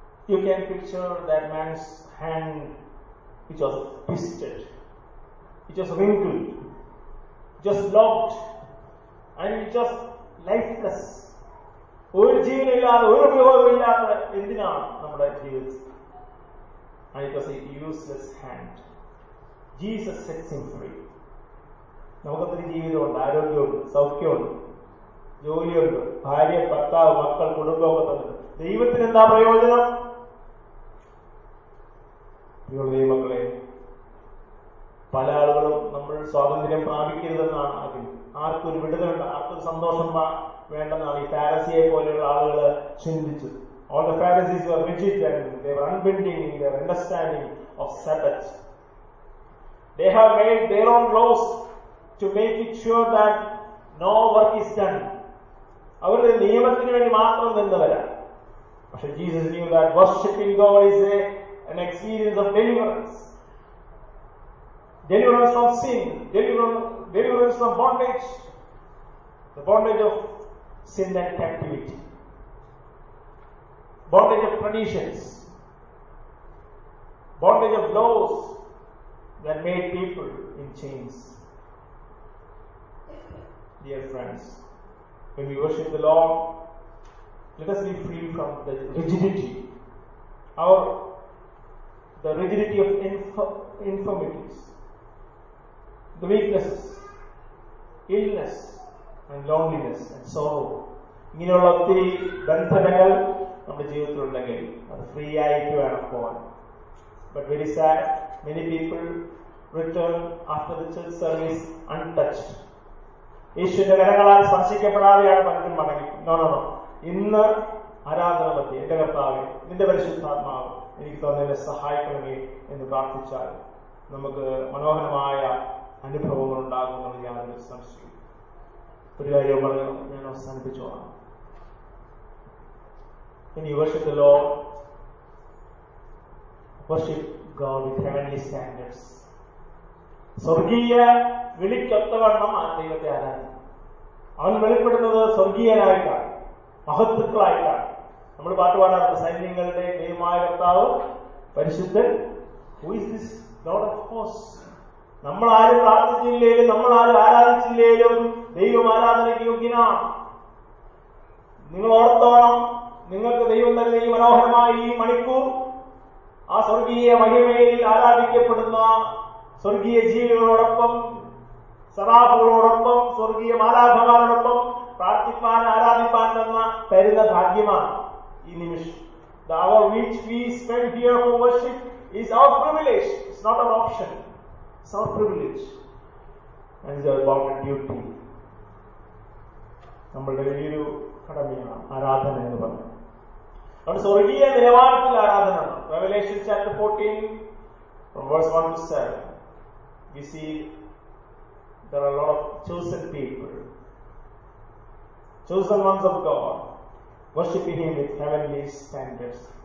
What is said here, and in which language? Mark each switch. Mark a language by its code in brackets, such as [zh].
[en] You can picture that man's hand which was twisted, which was wrinkled, just locked and just lifeless. [ml] ഒരു ജീവനില്ലാതെ, ഒരു ഉപയോഗവും ഇല്ലാത്ത എന്തിനാണ് നമ്മുടെ ജീവിതം? [en] And it was a useless hand. Jesus sets him free. [ml] നമുക്കത്രയും ജീവിതമുണ്ട്, ആരോഗ്യമുണ്ട്, സൗഖ്യമുണ്ട്, ജോലിയുണ്ട്, ഭാര്യ, ഭർത്താവ്, മക്കൾ, കുടുംബമൊക്കെ തന്നെ. ദൈവത്തിന് എന്താ പ്രയോജനം? ദൈവമക്കളെ, പല ആളുകളും നമ്മൾ സ്വാതന്ത്ര്യം പ്രാപിക്കരുതെന്നാണ് ആദ്യം. ആർക്കൊരു വിടുതലുണ്ട്, ആർക്കൊരു സന്തോഷം വേണ്ടെന്നാണ് ഈ ഫാരസിയെ പോലെയുള്ള ആളുകൾ ചിന്തിച്ചത്. [en] All the Pharisees were rigid and they were unbending in their understanding of Sabbath. They have made their own laws to make it sure that no work is done. [ml] അവരുടെ നിയമത്തിന് വേണ്ടി മാത്രം നിന്നവരാ. പക്ഷെ [en] Jesus knew that worshiping God is an experience of deliverance. Deliverance from sin, deliverance from bondage, the bondage of sin and captivity, bondage of traditions, bondage of laws that made people in chains. Dear friends, when we worship the Lord, let us be free from the rigidity, the rigidity of infirmities, the weaknesses, illness, and loneliness, and sorrow. [ml] ഇങ്ങനെയുള്ള ഒത്തിരി ബന്ധനങ്ങൾ നമ്മുടെ ജീവിതത്തിലുണ്ടെങ്കിൽ അത് free ആയിട്ട് വേണം പോവാൻ. [en] But very sad, many people return after the church service untouched. [ml] യേശുവിന്റെ കരങ്ങളാൽ സ്പർശിക്കപ്പെടാതെയാണ് പലരും മടങ്ങി. ഇന്ന് ആരാധന പറ്റി എന്റെ കർത്താവ്, നിന്റെ പരിശുദ്ധാത്മാവ് എനിക്ക് തന്നെ സഹായിക്കണമേ എന്ന് പ്രാർത്ഥിച്ചാൽ നമുക്ക് മനോഹരമായ അനുഭവങ്ങൾ ഉണ്ടാകുമെന്നുള്ള യാതൊരു സംശയം. ഒരു കാര്യം പറഞ്ഞു ഞാൻ അവസാനിപ്പിച്ചോളാം. [en] When you worship the Lord, worship God with heavenly standards. [ml] സ്വർഗീയ വിളിക്കൊത്തവണ്ണം ആ ദൈവത്തെ ആരാധിക്കും. അവൻ വെളിപ്പെടുന്നത് സ്വർഗീയനായിട്ടാണ്, മഹത്വങ്ങളായിട്ടാണ്. നമ്മൾ പാട്ടുപാടാറുണ്ട്, സൈന്യങ്ങളുടെ ദൈവമായ കർത്താവ് പരിശുദ്ധൻ. [en] Who is this Lord of hosts? [ml] നമ്മൾ ആരും പ്രാർത്ഥിച്ചില്ലേലും, നമ്മൾ ആരും ആരാധിച്ചില്ലേലും ദൈവം ആരാധനയ്ക്ക് യോഗ്യനാണ്. നിങ്ങൾ ഓർത്തോണം, നിങ്ങൾക്ക് ദൈവം തരുന്ന ഈ മനോഹരമായ ഈ മണിക്കൂർ മഹിമയിൽ ആരാധിക്കപ്പെടുന്ന സ്വർഗീയ ജീവികളോടൊപ്പം സറാഫുകളോടൊപ്പം സ്വർഗീയ മാലാഭമാരോടൊപ്പം പ്രാർത്ഥിപ്പാൻ ആരാധിപ്പാൻ തന്ന തരുന്ന ഭാഗ്യമാണ് ഈ നിമിഷം. [en] The hour which we spend here for worship is our privilege. It's not an option. It's our privilege. And it's our bounded duty. [ml] നമ്മളുടെ വലിയൊരു കടമയാണ് ആരാധന എന്ന് പറഞ്ഞു. അവിടെ സ്വർഗീയ ദേവാലയത്തിൽ ആരാധന. [en] Revelation chapter 14 from verse 1 to 7 we see there are a lot of chosen people, chosen ones of God, worshiping him with heavenly standards.